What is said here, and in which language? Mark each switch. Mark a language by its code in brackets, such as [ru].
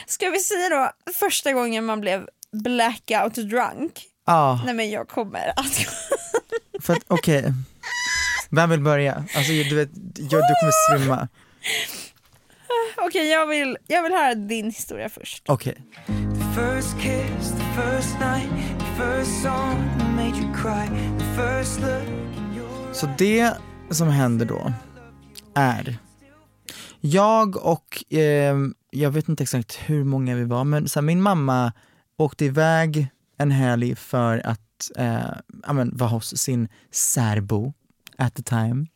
[sv] Ska vi säga då första gången man blev blackout drunk? Ja. Ah. Nej, men jag kommer att... För att okej. Okay. Vem vill börja? Alltså du vet, du kommer svimma. Okej, okay, jag vill höra din historia först. Okej. Okay. [en] First kiss, the first night, the first song made you cry, the first look. [sv] Så det som händer då är jag och jag vet inte exakt hur många vi var, men så här, min mamma åkte iväg en helg för att vara hos sin särbo [en] at the time.